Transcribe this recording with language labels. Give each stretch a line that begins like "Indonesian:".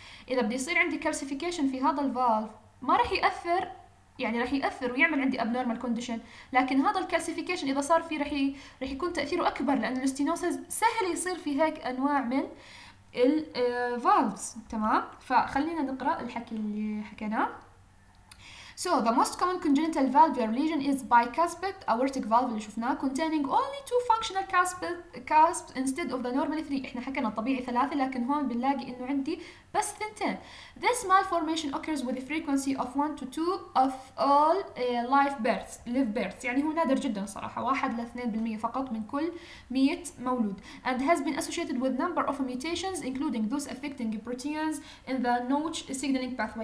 Arabic: إذا بدي يصير عندي كالسيفيكيشن في هذا الفالف ما رح يأثر، يعني رح يأثر ويعمل عندي abnormal condition، لكن هذا الكالسيفيكيشن إذا صار فيه رح يكون تأثيره أكبر، لأن الستينوسز سهل يصير في هيك أنواع من الفالفز، تمام؟ فخلينا نقرأ الحكي اللي حكيناه.
English: So the most common congenital valvular lesion is bicuspid aortic valve
Arabic: اللي شفناه
English: containing only two functional cusps instead of the normal three.
Arabic: احنا حكينا الطبيعي ثلاثة لكن هون بنلاقي انه عندي بس ثنتين.
English: This malformation occurs with a frequency of 1-2 of all live births.
Arabic: يعني هو نادر جدا صراحة، 1-2% فقط من كل 100 مولود.
English: And has been associated with number of mutations including those affecting proteins in the notch signaling pathway.